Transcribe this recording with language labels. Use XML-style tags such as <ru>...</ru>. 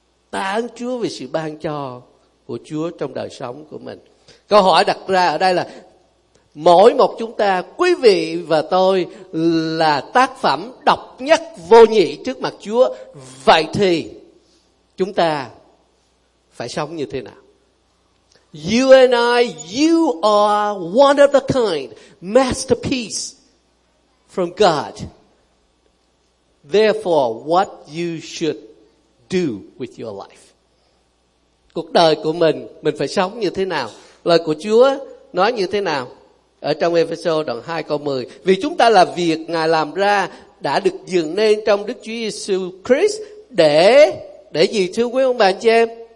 <vi>Tạ ơn Chúa vì sự ban cho của Chúa trong đời sống của mình. Câu hỏi đặt ra ở đây là mỗi một chúng ta, quý vị và tôi là tác phẩm độc nhất vô nhị trước mặt Chúa. Vậy thì chúng ta phải sống như thế nào?</vi> <en>You and I, you are one of a kind, masterpiece from God. Therefore, what you should do with your life.</en> <vi>Cuộc đời của mình phải sống như thế nào? Lời của Chúa nói như thế nào? Ở trong Ephesos đoạn 2 câu 10. Vì chúng ta là việc Ngài làm ra, đã được dựng nên trong Đức Chúa Giêsu Christ để gì, thưa quý ông bà anh chị em?</vi>